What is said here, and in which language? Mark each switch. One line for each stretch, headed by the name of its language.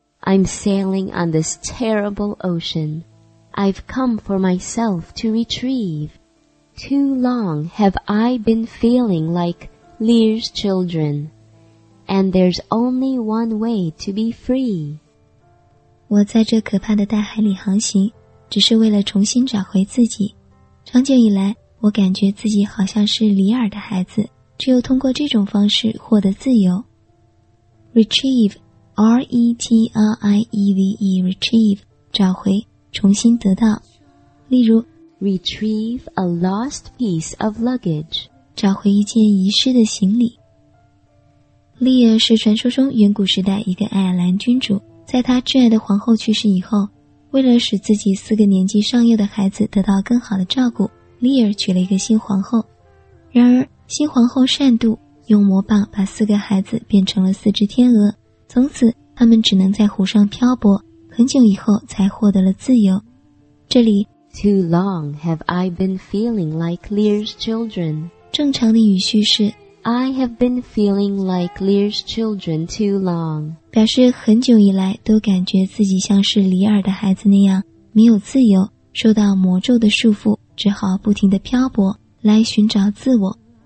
English: I'm sailing on this terrible ocean. I've come for myself to retrieve. Too long have I been feeling like Lear's children, and there's only one way to be free.
Chinese: 我在这可怕的大海里航行，只是为了重新找回自己。长久以来，我感觉自己好像是里尔的孩子，只有通过这种方式获得自由。
English: Retrieve, R-E-T-R-I-E-V-E, retrieve,
Chinese: 找回，重新得到。例如
English: Retrieve a lost piece of luggage,
Chinese: 找回一件遗失的行李。 Lear 是传说中远古时代一个爱尔兰君主，在他挚爱的皇后去世以后，为了使自己四个年纪尚幼的孩子得到更好的照顾，Lear 娶了一个新皇后。然而新皇后善妒，用魔棒把四个孩子变成了四只天鹅，从此他们只能在湖上漂泊，很久以后才获得了自由。这里
English: Too long have I been feeling like Lear's children,
Chinese: 正常的语序是
English: I have been feeling like Lear's children too long,
Chinese: 表示很久以来都感觉自己像是里尔的孩子那样没有自由，受到魔咒的束缚，只好不停地漂泊来寻找自我。